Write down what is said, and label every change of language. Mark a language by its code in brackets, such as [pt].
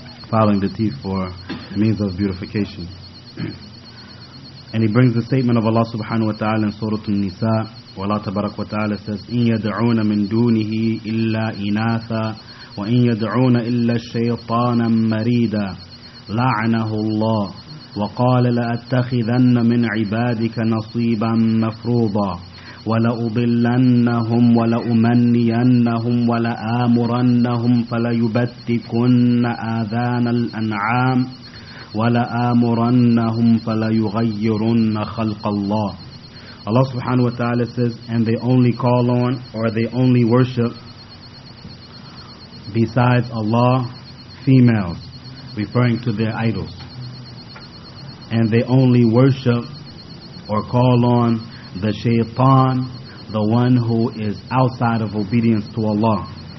[en] Filing the teeth for means of beautification. And he brings the statement of Allah subhanahu wa ta'ala in Surah An-Nisa, where Allah tabarak wa ta'ala says, [ar] إِن يَدْعُونَ مِن دُونِهِ إِلَّا إِنَاثًا وَإِن يَدْعُونَ إِلَّا الشَّيْطَانًا مَرِيدًا لَعْنَهُ اللَّهُ وَقَالَ لَأَتَّخِذَنَّ مِنْ عِبَادِكَ نَصِيبًا مَفْرُوضًا وَلَأُضِلَّنَّهُمْ وَلَأُمَنِّيَنَّهُمْ وَلَآمُرَنَّهُمْ فَلَيُبَتِّكُنَّ آذَانَ الْأَنْعَامِ وَلَآمُرَنَّهُمْ فَلَيُغَيِّرُنَّ خَلْقَ اللَّهِ. [en] Allah subhanahu wa ta'ala says, and they only call on or they only worship besides Allah females, referring to their idols. And they only worship or call on the shaytan, the one who is outside of obedience to Allah.